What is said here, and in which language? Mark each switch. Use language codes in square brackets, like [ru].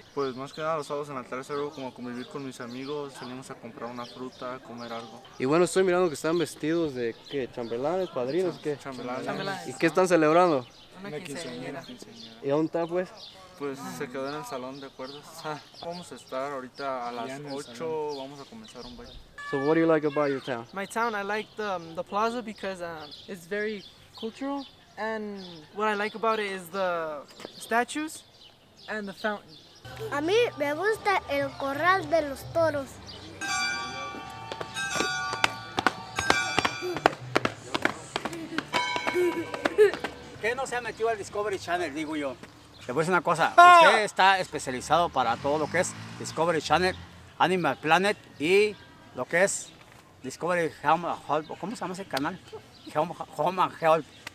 [es] Pues más que nada los sábados en la tarde es algo como convivir con mis amigos, salimos a comprar una fruta, a comer algo. Y bueno, estoy mirando que están vestidos de ¿qué? ¿Chambelanes, padrinos, qué? Chambelanes. ¿Y qué están celebrando? Una quinceañera. ¿Y dónde está pues? Pues se quedó en el salón, ¿de acuerdo? Vamos a estar ahorita a las 8, vamos a comenzar un baile. [en] So what do you like about your town? My town, I like the plaza because it's very cultural. And what I like about it is the statues and the fountain. [es] A mí me gusta el corral de los toros. ¿Qué no se ha metido al Discovery Channel, digo yo? Le voy a decir una cosa, usted está especializado para todo lo que es Discovery Channel, Animal Planet y lo que es Discovery Home and Help. ¿Cómo se llama ese canal? Home and Help.